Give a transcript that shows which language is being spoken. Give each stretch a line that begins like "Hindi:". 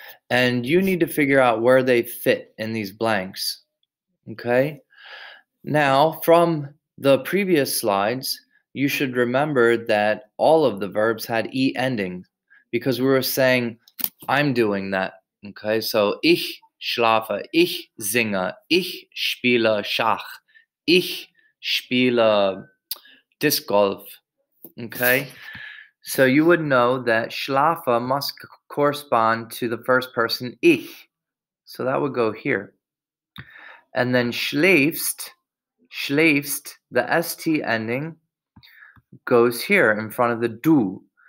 English: And you need to figure out where they fit in these blanks. Okay, now from the previous slides, you should remember that all of the verbs had e endings because we were saying, I'm doing that.
German: Okay, so ich schlafe, ich singe, ich spiele Schach, ich spiele Disc Golf, okay?
English: So you would know that schlafe must correspond to the first person, ich. So that would go here. And then schläfst, the ST ending, goes here in front of the du.